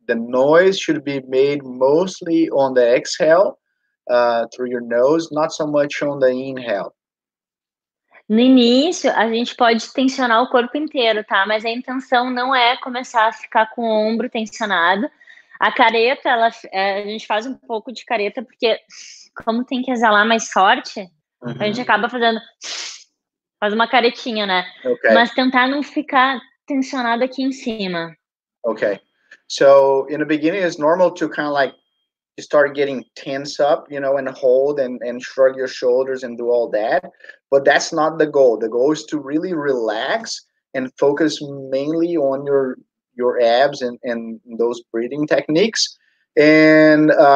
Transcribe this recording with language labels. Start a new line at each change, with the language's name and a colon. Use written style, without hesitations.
English: The noise should be made mostly on the exhale, through your nose, not so much on the inhale.
Portuguese: No início, a gente pode tensionar o corpo inteiro, tá? Mas a intenção não é começar a ficar com o ombro tensionado. A careta, a gente faz um pouco de careta, porque como tem que exalar mais forte, a gente acaba faz uma caretinha, né? Okay. Mas tentar não ficar tensionado aqui em cima. Okay.
English: So, in the beginning, it's normal to kind of like start getting tense up, you know, and hold and shrug your shoulders and do all that. But that's not the goal. The goal is to really relax and focus mainly on your abs and those breathing techniques. And